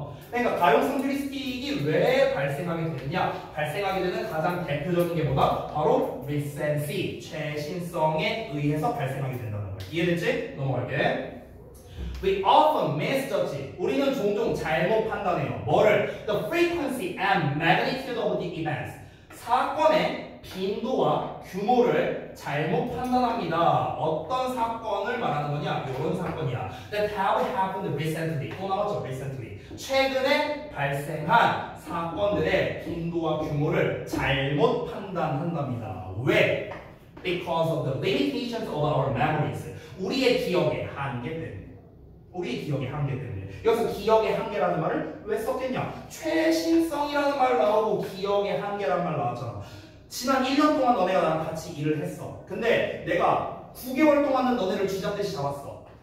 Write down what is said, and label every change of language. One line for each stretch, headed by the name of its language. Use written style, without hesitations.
Korean: 그러니까 가용성 휴리스틱이 왜 발생하게 되느냐? 발생하게 되는 가장 대표적인 게 뭐다? 바로 recency, 최신성에 의해서 발생하게 된다는 거야. 이해됐지? 넘어갈게.
English: We often misjudge.
Korean: 우리는 종종 잘못 판단해요. 뭐를?
English: The frequency and magnitude of the events.
Korean: 사건의 빈도와 규모를 잘못 판단합니다. 어떤 사건을 말하는 거냐? 이런 사건이야.
English: That have happened recently.
Korean: 또 나왔죠? recently. 최근에 발생한 사건들의 빈도와 규모를 잘못 판단한답니다. 왜?
English: Because of the limitations of our memories.
Korean: 우리의 기억의 한계 때문에. 우리의 기억의 한계 때문에. 여기서 기억의 한계라는 말을 왜 썼겠냐? 최신성이라는 말 나오고 기억의 한계라는 말 나왔잖아. 지난 1년 동안 너네가 나랑 같이 일을 했어. 근데 내가 9개월 동안은 너네를 쥐잡듯이 잡았어.